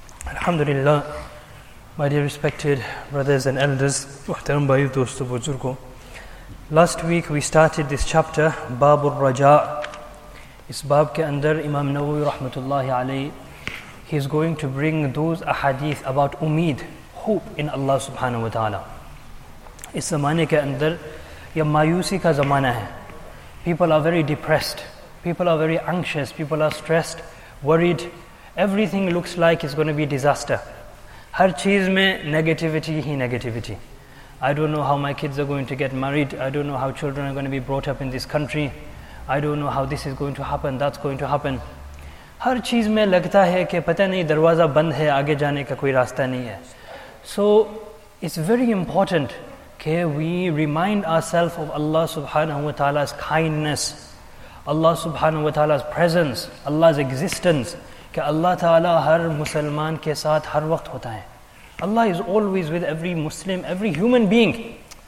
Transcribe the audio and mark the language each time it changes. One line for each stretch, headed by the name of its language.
Arabic: الحمد لله
English: My dear respected brothers and elders
Urdu: محترم بأي دوست بزرگو
English: Last week we started this chapter
Arabic: باب الرجاء
Urdu: اس باب کے اندر امام نووی رحمت اللہ علیہ
English: He is going to bring those ahadith about umid, hope in Allah subhanahu wa ta'ala.
Urdu: اس زمانے کے اندر یہ مایوسی کا زمانہ ہے.
English: People are very depressed. People are very anxious. People are stressed, worried. Everything looks like it's going to be disaster.
Urdu: ہر چیز میں negativity he negativity.
English: I don't know how my kids are going to get married. I don't know how children are going to be brought up in this country. I don't know how this is going to happen, that's going to happen.
Urdu: ہر چیز میں لگتا ہے کہ پتہ نہیں دروازہ بند ہے آگے جانے کا کوئی راستہ نہیں ہے.
English: So it's very important کہ we remind ourselves of Allah subhanahu wa ta'ala's kindness, Allah subhanahu wa ta'ala's presence, Allah's existence,
Urdu: کہ اللہ تعالیٰ ہر مسلمان کے ساتھ ہر وقت ہوتا ہے.
English: Allah is always with every Muslim, every human being.